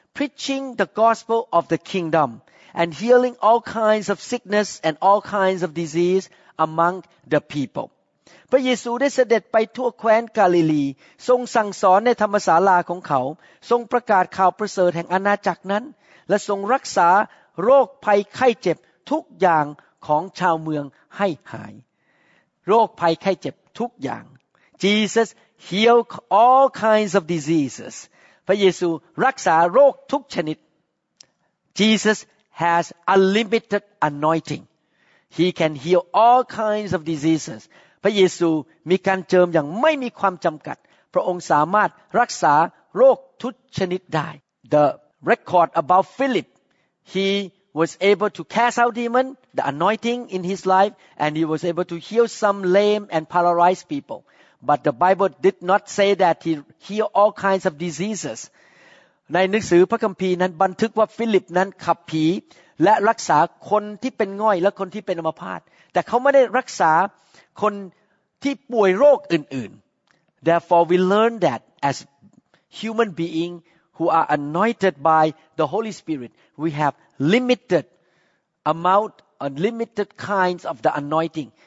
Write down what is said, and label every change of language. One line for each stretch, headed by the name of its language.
English: Preaching the gospel of the kingdom and healing all kinds of sickness and all kinds of disease among the people.
Thai: พระเยซูได้เสด็จไปทั่วแคว้นกาลิลีทรงสั่งสอนในธรรมศาลาของเขาทรงประกาศข่าวประเสริฐแห่งอาณาจักรนั้นและทรงรักษาโรคภัยไข้เจ็บทุกอย่างของชาวเมืองให้หายโรคภัยไข้เจ็บทุกอย่าง
English: Jesus healed all kinds of diseases.
Thai: พระเยซูรักษาโรคทุกชนิด
English: Jesus has unlimited anointing. He can heal all kinds of diseases.
Thai: พระเยซูมีการเจิมอย่างไม่มีความจำกัดพระองค์สามารถรักษาโรคทุกชนิดได้
English: The record about Philip, he was able to cast out demon, the anointing in his life, and he was able to heal some lame and paralyzed people. But the Bible did not say that he healed all kinds of diseases.
Thai: ในหนังสือพระคัมภีร์นั้นบันทึกว่าฟิลิปนั้นขับผีและรักษาคนที่เป็นง่อยและคนที่เป็นอัมพาตแต่เขาไม่ได้รักษาคนที่ป่วยโรคอื่นๆ
English: Therefore we learn that as human beings who are anointed by the Holy Spirit, we have limited amount, unlimited kinds of the anointing.